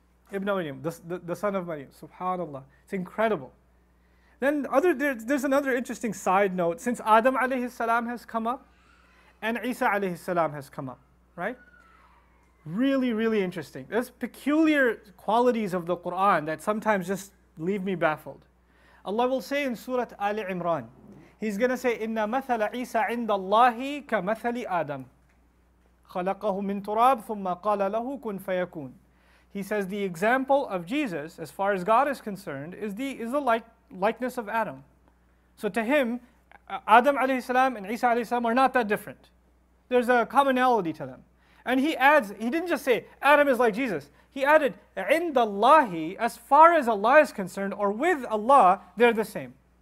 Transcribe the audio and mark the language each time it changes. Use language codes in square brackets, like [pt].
[en] Ibn Maryam, the son of Maryam, subhanAllah. It's incredible. Then there's another interesting side note. Since Adam alayhi salam has come up, and Isa alayhi salam has come up, right? Really, really interesting. There's peculiar qualities of the Qur'an that sometimes just leave me baffled. Allah will say in Surah Ali Imran, He's going to say, [ar] إِنَّ مَثَلَ عِيسَى عِنْدَ اللَّهِ كَمَثَلِ آدَمْ خَلَقَهُ مِنْ تُرَابْ ثُمَّ قَالَ لَهُ كُنْ فَيَكُونَ. [en] He says the example of Jesus, as far as God is concerned, is the likeness of Adam. So to him, Adam alayhi salam and Isa alayhi salam are not that different. There's a commonality to them. And he adds, he didn't just say, Adam is like Jesus. He added, [ar] عِنْدَ اللَّهِ, [en] as far as Allah is concerned, or with Allah, they're the same.